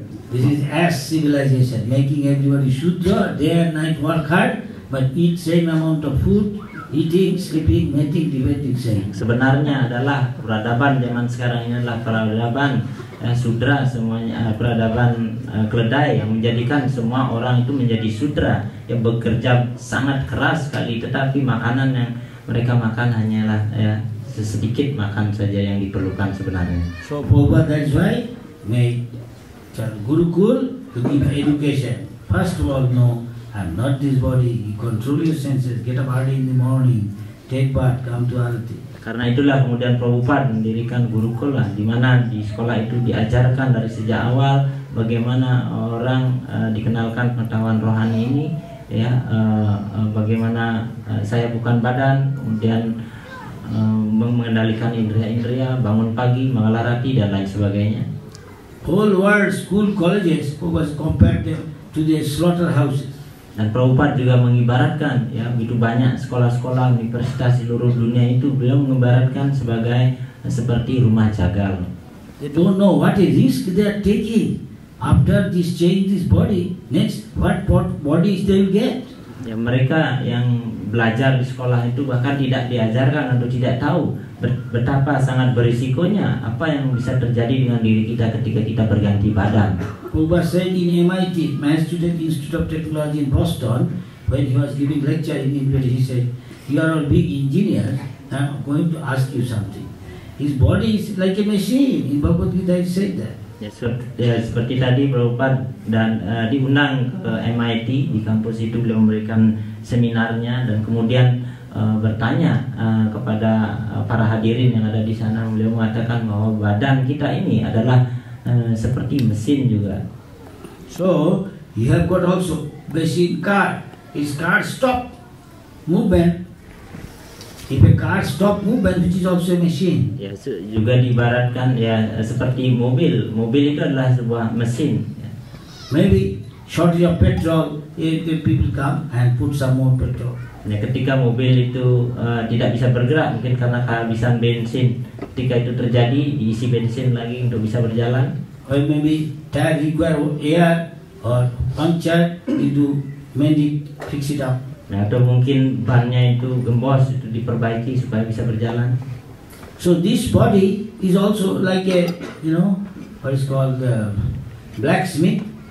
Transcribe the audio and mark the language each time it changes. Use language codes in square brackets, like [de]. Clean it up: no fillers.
[en] This is S civilization, making everybody shudra, day and night work hard, but eat same amount of food, eating, sleeping, mating, debating, saying. [id] Sebenarnya adalah peradaban zaman sekarang ini adalah peradaban sudra semuanya, peradaban keledai yang menjadikan semua orang itu menjadi sudra yang bekerja sangat keras sekali, tetapi makanan yang mereka makan hanyalah sedikit makan saja yang diperlukan sebenarnya. [en] So Prabhupada, that's why make gurukul to give education. First of all, no, I'm not this body. You control your senses. Get up early in the morning. Take bath. Come to arati. [id] Karena itulah kemudian Prabhupada mendirikan gurukul lah, di mana di sekolah itu diajarkan dari sejak awal bagaimana orang dikenalkan pengetahuan rohani ini, ya, bagaimana saya bukan badan, kemudian mengendalikan indera-indera, bangun pagi, mengalah rati dan lain sebagainya. [en] Whole world school colleges was compared to the slaughterhouses. [id] Dan Prabhupada juga mengibaratkan, ya, begitu banyak sekolah-sekolah universitas seluruh dunia itu beliau mengibaratkan sebagai seperti rumah jagal. [en] They don't know what a risk they are taking after this change this body. Next, what body is they will get? [id] Ya, mereka yang belajar di sekolah itu bahkan tidak diajarkan atau tidak tahu betapa sangat berisikonya apa yang bisa terjadi dengan diri kita ketika kita berganti badan. [en] Prabhupada said in MIT, Massachusetts Institute of Technology in Boston, when he was giving lecture in English, he said, "You are all big engineers. I'm going to ask you something. His body is like a machine." In Bhagavad Gita, he said that. [id] Yes, ya, seperti tadi Prabhupada dan diundang ke MIT di kampus itu beliau memberikan seminarnya dan kemudian bertanya kepada para hadirin yang ada di sana, beliau mengatakan bahwa badan kita ini adalah seperti mesin juga. [en] So you have got also machine car. Is car stop movement? If a car stop movement, which is also a machine. [id] Ya, juga diibaratkan ya seperti mobil. Mobil itu adalah sebuah mesin. [en] Maybe shortage of petrol, if people come and put some more petrol. [id] Ya, ketika mobil itu tidak bisa bergerak, mungkin karena kehabisan bensin. Ketika itu terjadi, diisi bensin lagi untuk bisa berjalan. [en] Or maybe tire require air or puncture, itu medic fix it up. [id] Nah, atau mungkin bannya itu gembos, itu diperbaiki supaya bisa berjalan. [en] So this body is also like a, you know, what is called the blacksmith.